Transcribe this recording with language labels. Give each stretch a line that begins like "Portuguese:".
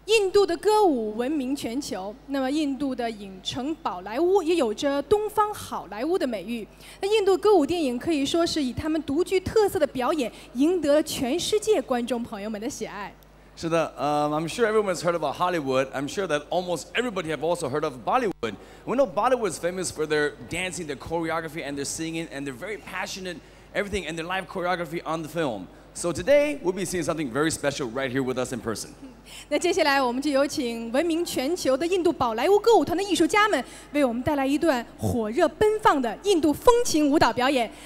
Chinese: 度的歌舞闻名全球，那么印度的影城宝莱坞也有着东方好莱坞的美誉。那印度歌舞电影可以说是以他们独具特色的表演赢得了全世界观众朋友们的喜爱。是的，
English: I'm sure everyone's heard about Hollywood. I'm sure that almost everybody have also heard of Bollywood. We know Bollywood is famous for their dancing, their choreography, and their singing, and they're very passionate, everything, and their live choreography on the film. So today, we'll be seeing something very special right here with us in person.
Chinese: 那接下来我们就有请闻名全球的印度宝莱坞歌舞团的艺术家们为我们带来一段火热奔放的印度风情舞蹈表演。